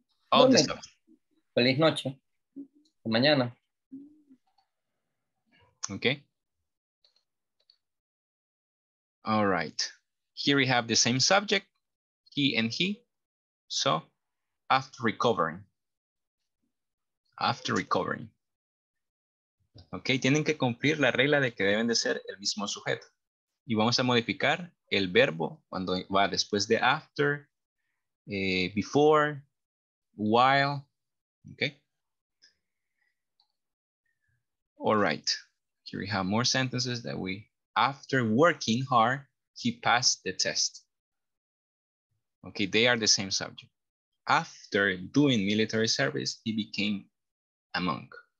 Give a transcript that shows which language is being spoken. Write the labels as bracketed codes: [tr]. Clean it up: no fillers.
[es] Feliz noche. Mañana. [en] Okay. All right. Here we have the same subject, he and he. So after recovering. [es] Okay, tienen que cumplir la regla de que deben de ser el mismo sujeto. Y vamos a modificar el verbo cuando va después de after, before, while, okay. [en] All right, here we have more sentences that we, after working hard, he passed the test. Okay, they are the same subject. After doing military service, he became a monk.